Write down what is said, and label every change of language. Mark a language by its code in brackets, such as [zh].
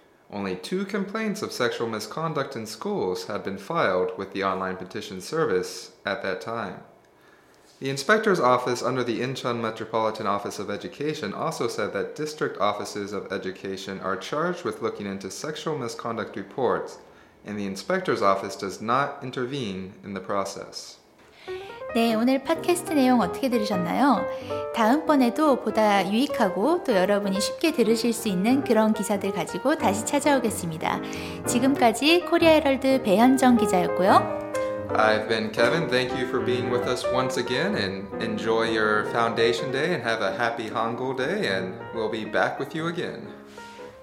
[en] Only two complaints of sexual misconduct in schools had been filed with the online petition service at that time. The inspector's office under the Incheon Metropolitan Office of Education also said that district offices of education are charged with looking into sexual misconduct reports, and the inspector's office does not intervene in the process. [ko] 네, 오늘 팟캐스트 내용 어떻게 들으셨나요? 다음번에도 보다 유익하고 또 여러분이 쉽게 들으실 수 있는 그런 기사들 가지고 다시 찾아오겠습니다. 지금까지 코리아 헤럴드 배현정 기자였고요. [en] I've been Kevin. Thank you for being with us once again and enjoy your foundation day and have a happy Hangul day and we'll be back with you again.